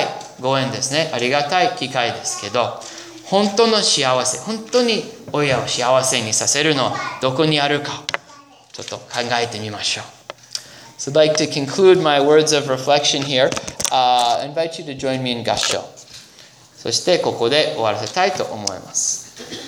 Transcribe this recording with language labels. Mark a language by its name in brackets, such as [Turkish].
[Japanese] してこの父の日は本当にまあお父さんお母さんの感謝をするありがたいご縁ですね。ありがたい機会ですけど、 本当の幸せ、本当に親を幸せにさせるのはどこにあるか、ちょっと考えてみましょう。 [English] So I'd like to conclude my words of reflection here. I invite you to join me in 合唱. [Japanese] そしてここで終わらせたいと思います。